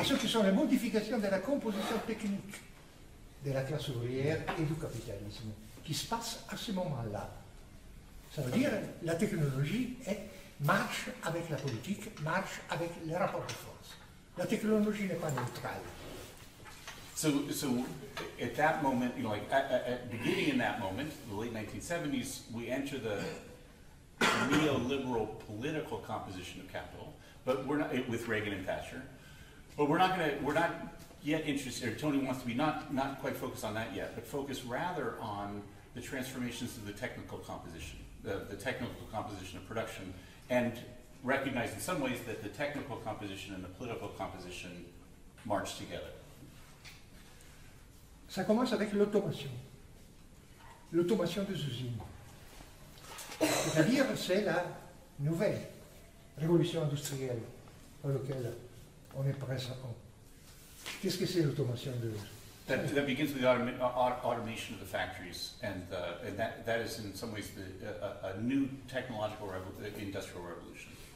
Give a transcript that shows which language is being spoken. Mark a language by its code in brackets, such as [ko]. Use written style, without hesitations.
[fr] À ce qui sont les modifications de la composition technique de la classe ouvrière et du capitalisme qui se passe à ce moment-là. Ça veut dire que la technologie marche avec la politique, marche avec les rapports de force. La technologie n'est pas neutrale. [en] So at that moment, you know, like at beginning in that moment, the late 1970s, we enter the neoliberal political composition of capital, but we're not with Reagan and Thatcher. But we're not yet interested, or Toni wants to be not quite focused on that yet, but focus rather on the transformations of the technical composition. The technical composition of production, and recognize in some ways that the technical composition and the political composition march together. [fr] Ça commence avec l'automation. L'automation des usines. C'est-à-dire, c'est la nouvelle révolution industrielle à laquelle on est présent. Qu'est-ce que c'est l'automation de l'usine? [en] That begins with the automation of the factories, and that is in some ways a new technological industrial revolution.